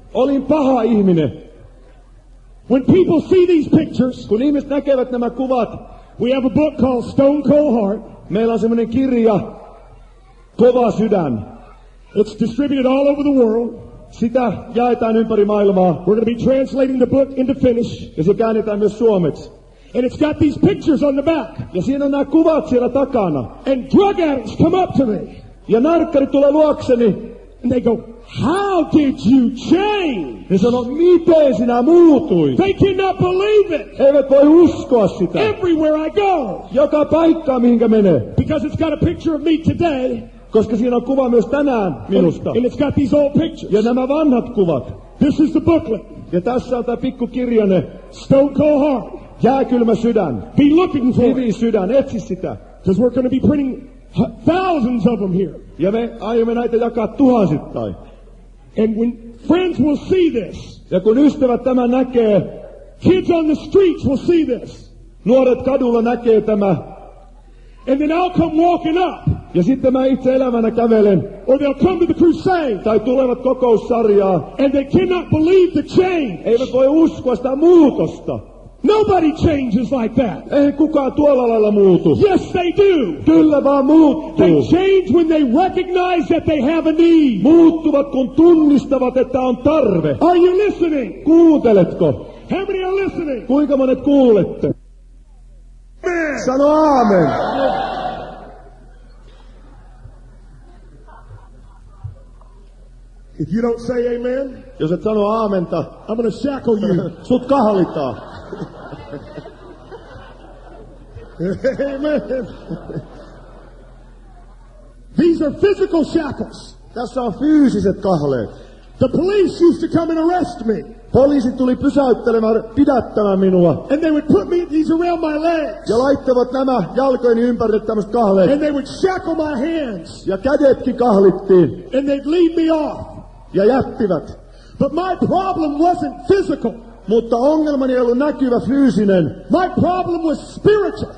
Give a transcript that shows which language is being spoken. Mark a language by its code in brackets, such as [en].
[fi] Olin paha ihminen. [en] When people see these pictures, [fi] kun ihmiset näkevät nämä kuvat, [en] we have a book called Stone Cold Heart. [fi] Meillä on semmoinen kirja, Kova sydän. [en] It's distributed all over the world. [fi] Sitä jaetaan ympäri maailmaa. [en] We're going to be translating the book into Finnish. [fi] Ja se käännetään myös suomeksi. [en] And it's got these pictures on the back. [fi] Ja siinä on nämä kuvat siellä takana. [en] And drug addicts come up to me. [fi] Ja narkkarit tulee luokseni. [en] And they go, how did you change? [fi] Ne sanoo, miten sinä muutuit? [en] They cannot believe it. [fi] Eivät voi uskoa sitä. [en] Everywhere I go. [fi] Joka paikkaan, mihinkä menee. [en] Because it's got a picture of me today. [fi] Koska siinä on kuva myös tänään minusta. [en] And it's got these old pictures. [fi] Ja nämä vanhat kuvat. [en] This is the booklet. [fi] Ja tässä on tämä pikkukirjainen. [en] Stone Cold Heart. [fi] Jääkylmä sydän. [en] Be looking for [fi] it. Hyvin sydän, etsi sitä. [en] Because we're going to be printing thousands of them here. [fi] Ja me aiomme näitä jakaa tuhansittain. [en] And when friends will see this. [fi] Ja kun ystävät tämän näkee. [en] Kids on the streets will see this. [fi] Nuoret kadulla näkee tämä. [en] And then I'll come walking up. [fi] Ja sitten mä itse elämänä kävelen. [en] Or they'll come to the crusade. [fi] Tai tulevat kokoussarjaa. [en] And they cannot believe the change. [fi] Eivät voi uskoa sitä muutosta. [en] Nobody changes like that. [fi] Ei kukaan tuolla lailla muutu. [en] Yes, they do. [fi] Kyllä vaan muuttuu. [en] They change when they recognize that they have a need. [fi] Muuttuvat, kun tunnistavat, että on tarve. [en] Are you listening? [fi] Kuunteletko? [en] How many are listening? [fi] Kuinka monet kuulette? [en] Amen. [fi] Sano aamen. [en] If you don't say amen, [fi] jos et sano aamenta, [en] I'm gonna shackle you. [fi] Sut kahlitaan. [en] Amen. These are physical shackles. [fi] Tässä on fyysiset kahleet. [en] The police used to come and arrest me. [fi] Poliisit tuli pysäyttelemään, pidättämään minua. [en] And they would put me these around my legs. [fi] Ja laittavat nämä jalkojeni ympärille tämmöiset kahleet. [en] And they would shackle my hands. [fi] Ja kädetkin kahlittiin. [en] And they'd lead me off. [fi] Ja jättivät. [en] But my problem wasn't physical. [fi] Mutta ongelmani ei ollut näkyvä fyysinen. [en] My problem was spiritual.